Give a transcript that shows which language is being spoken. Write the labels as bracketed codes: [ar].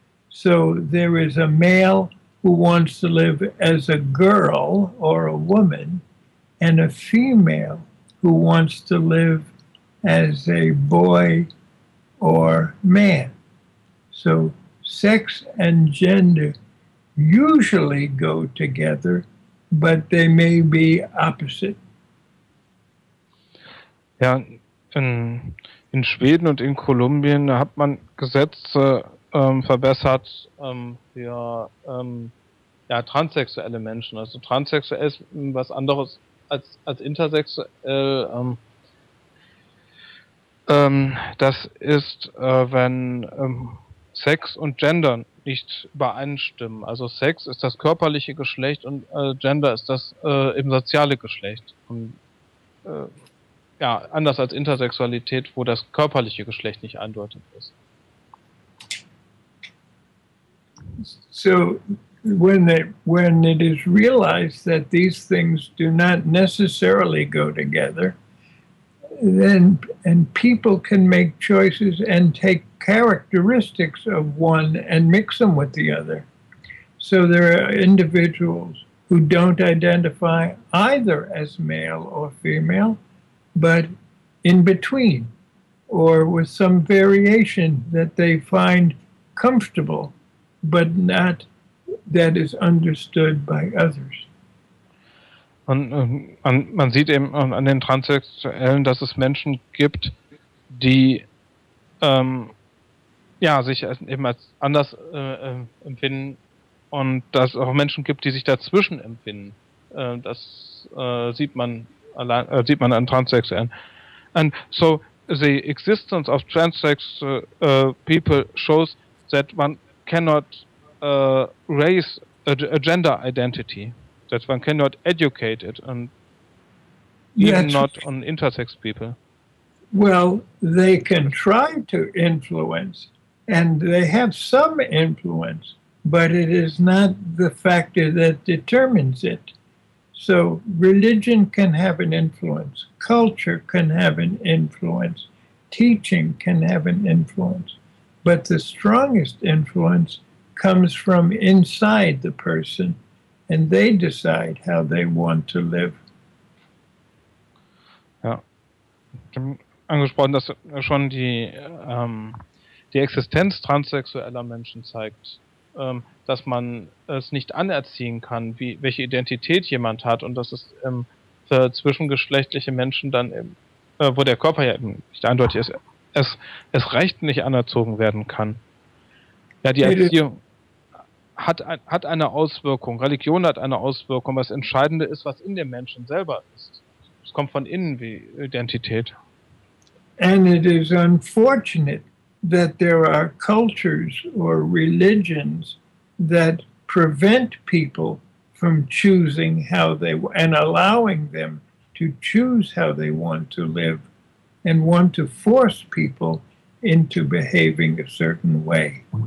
[en] So there is a male who wants to live as a girl or a woman, and a female who wants to live as a boy or man. So sex and gender usually go together, but they may be opposite. [de] Ja, in Schweden und in Kolumbien, da hat man Gesetze verbessert für ja, transsexuelle Menschen. Also transsexuell ist was anderes als intersexuell. Das ist, wenn Sex und Gender nicht übereinstimmen. Also Sex ist das körperliche Geschlecht und Gender ist das eben soziale Geschlecht. Und, ja, anders als Intersexualität, wo das körperliche Geschlecht nicht eindeutig ist. [en] So, when it is realized that these things do not necessarily go together, then and people can make choices and take characteristics of one and mix them with the other. So there are individuals who don't identify either as male or female, but in between, or with some variation that they find comfortable, but not that is understood by others. [de] Und man sieht eben an den Transsexuellen, dass es Menschen gibt, die ja, sich eben als anders empfinden, und dass es auch Menschen gibt, die sich dazwischen empfinden. Das sieht man an Transsexuellen. [en] And so the existence of transsexual people shows that one cannot raise a gender identity, that one cannot educate it, and even not on intersex people. Well, they can try to influence, and they have some influence, but it is not the factor that determines it. So religion can have an influence, culture can have an influence, teaching can have an influence, but the strongest influence comes from inside the person, and they decide how they want to live. [de] Ja, ich habe angesprochen, dass schon die, die Existenz transsexueller Menschen zeigt, dass man es nicht anerziehen kann, wie, welche Identität jemand hat, und dass es für zwischengeschlechtliche Menschen dann, wo der Körper ja eben nicht eindeutig ist, es recht nicht anerzogen werden kann. Ja, die Erziehung hat eine Auswirkung, Religion hat eine Auswirkung, was Entscheidende ist, was in dem Menschen selber ist. Es kommt von innen wie Identität. [en] And it is unfortunate that there are cultures or religions that prevent people from choosing how they and allowing them to choose how they want to live and want to force people into behaving a certain way.